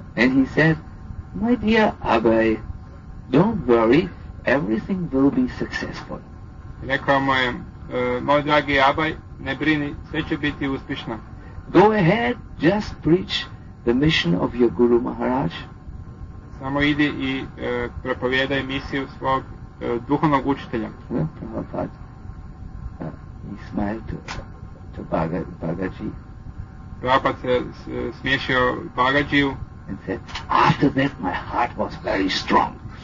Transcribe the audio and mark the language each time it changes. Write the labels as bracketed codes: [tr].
[en] And he said, my dear Abhay, don't worry, everything will be successful. [hr] Rekao mu je, moj dragi Abhay, ne brini, sve će biti uspješno. [en] Go ahead, just preach the mission of your Guru Maharaj. [hr] Samo idi i propovijedaj misiju svog duhovnog učitelja. [en] Prabhupada, he smiled to Bhagaji. [hr] Prabhupada se smiješio Bhagajiju. [en] And said, after that my heart was very strong.